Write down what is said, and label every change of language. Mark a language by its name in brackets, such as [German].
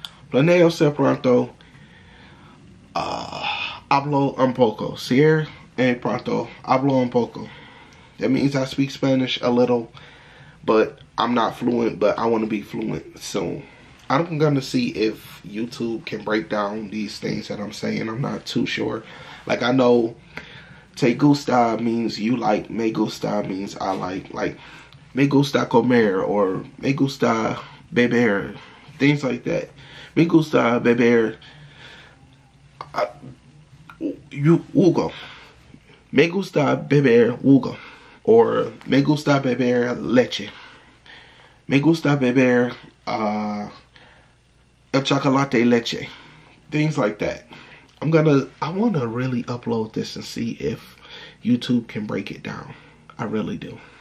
[Spanish] Planeo ser pronto, hablo un poco. Ser en pronto, hablo un poco. [English] That means I speak Spanish a little, but I'm not fluent, but I want to be fluent soon. I'm going to see if YouTube can break down these things that I'm saying. I'm not too sure. Like, I know [Spanish] te gusta [English] means you like, [Spanish] me gusta [English] means I like. Like, [Spanish] me gusta comer [English] or [Spanish] me gusta beber, [English] things like that. [Spanish] Me gusta beber jugo. Me gusta beber jugo. Or me gusta beber leche. Me gusta beber el chocolate leche. [English] Things like that. I want to really upload this and see if YouTube can break it down. I really do.